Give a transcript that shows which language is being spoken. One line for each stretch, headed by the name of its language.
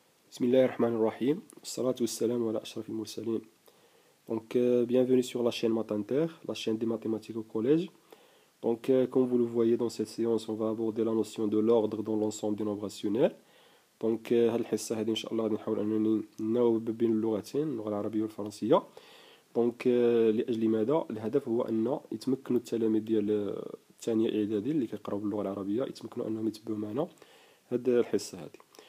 Arabic: بسم الله الرحمن الرحيم الصلاة والسلام على أشرف المرسلين.
French: Donc bienvenue sur la chaîne Matinter, la chaîne des mathématiques au collège. Donc comme vous le voyez dans cette séance, on va aborder la notion de l'ordre dans l'ensemble du nombre rationnel.
Arabic: Donc هذه الحصة هذه إن شاء الله نحاول أنني نوب بين اللغتين اللغة العربية والفرنسية. Donc لأجل ماذا؟ الهدف هو أن يتمكن التلاميذ ديال الثانية إعدادي اللي كيقراو باللغة العربية يتمكنوا أنهم يتبعوا معنا هذه الحصة هذه.